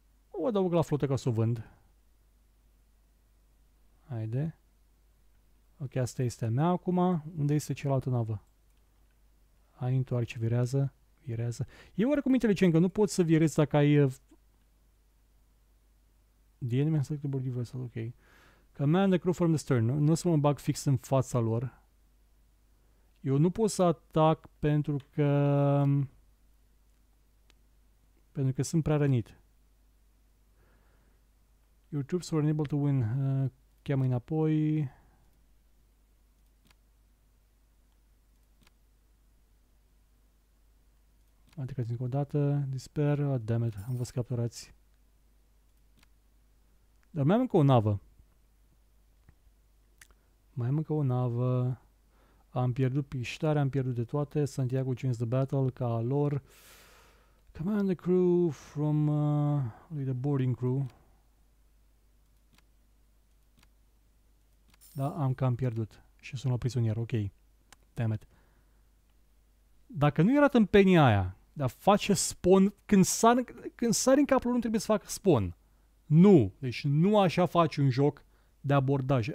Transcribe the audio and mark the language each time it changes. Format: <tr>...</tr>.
<ro>O adaug la flotă ca să o vând. Haide. Ok, asta este a mea acum. Unde este cealaltă navă? Hai, întoarce, virează. Virează. E oarecum inteligent că nu poți să virezi dacă ai...</ro> <en>The enemy has selected board universal, ok. Command the crew from the stern.</en> <ro>Nu o să mă bag fix în fața lor. Eu nu pot să atac pentru că... Pentru că sunt prea rănit.</ro> <en>Your troops were unable to win.</en> <ro>Cheamă-i înapoi. Atecați încă o dată, disper, dammit, am fost capturați. Dar mai am încă o navă. Mai am încă o navă. Am pierdut piștare, am pierdut de toate.</ro> <en>Santiago wins the battle, ca lor. Command the crew from the boarding crew.</en> <ro>Da, am cam pierdut și sunt la prizonier, ok. Dammit. Dacă nu era tâmpenia aia, dar face spawn, când sari în capul lor, nu trebuie să facă spawn. Nu, deci nu așa faci un joc de abordaj.</ro>